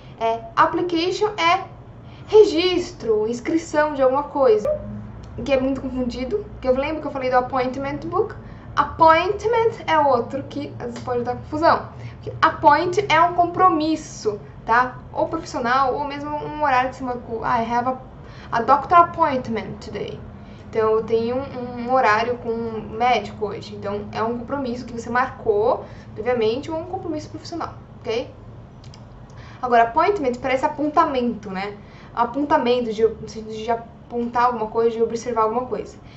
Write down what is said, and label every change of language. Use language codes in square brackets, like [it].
[pt] É, application é registro, inscrição de alguma coisa. Que é muito confundido, que eu lembro que eu falei do appointment book. Appointment é outro que às vezes pode dar confusão. Porque appoint é um compromisso, tá? Ou profissional, ou mesmo um horário de cima. [en] I have a doctor appointment today. [pt] Então eu tenho um horário com um médico hoje. Então é um compromisso que você marcou, previamente, ou um compromisso profissional, ok? Agora, appointment parece apontamento, né? Apontamento de, no sentido de apontar alguma coisa, de observar alguma coisa.